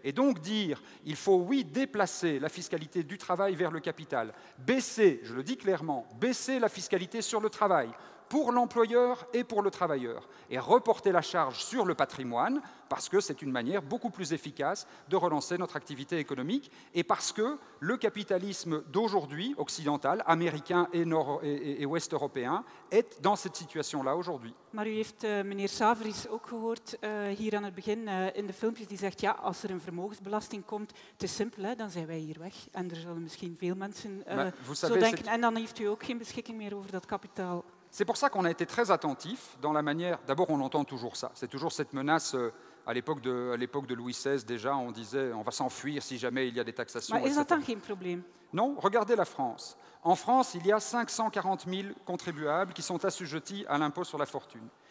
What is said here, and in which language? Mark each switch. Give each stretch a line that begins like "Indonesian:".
French: Et donc dire, il faut, oui, déplacer la fiscalité du travail vers le capital, baisser, je le dis clairement, baisser la fiscalité sur le travail, pour l'employeur et pour le travailleur, et reporter la charge sur le patrimoine, parce que c'est une manière beaucoup plus efficace de relancer notre activité économique, et parce que le capitalisme d'aujourd'hui, occidental, américain et ouest-européen, est dans cette situation-là aujourd'hui.
Dutch: Maar u heeft meneer Saveris ook gehoord hier aan het begin in de filmpjes, die zegt, ja, als er een vermogensbelasting komt, het is simpel, hè, dan zijn wij hier weg. En er zullen misschien veel mensen denken, en dan heeft u ook geen beschikking meer over dat kapitaal.
French: C'est pour ça qu'on a été très attentif dans la manière... D'abord, on entend toujours ça. C'est toujours cette menace. À l'époque de Louis XVI, déjà, on disait on va s'enfuir si jamais il y a des taxations. Mais ils n'attendent qu'un problème. Non, regardez la France. En France, il y a 540 000 contribuables qui sont assujettis à l'impôt sur la fortune.